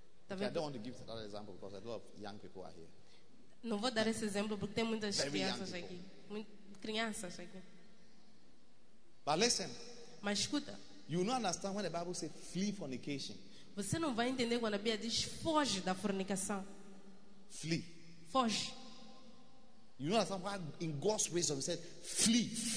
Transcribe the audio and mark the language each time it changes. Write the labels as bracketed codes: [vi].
[en] Okay, I don't want to give that example because a lot of young people are here. [pt] Não vou dar esse exemplo porque tem muitas crianças aqui. Crianças aqui. [en] But listen. [pt] Mas escuta. [en] You will not understand when the Bible says flee fornication. [pt] Você não vai entender quando a Bíblia diz foge da fornicação. [en] Flee. [pt] Foge. [en] You know that somewhere in God's wisdom he said flee.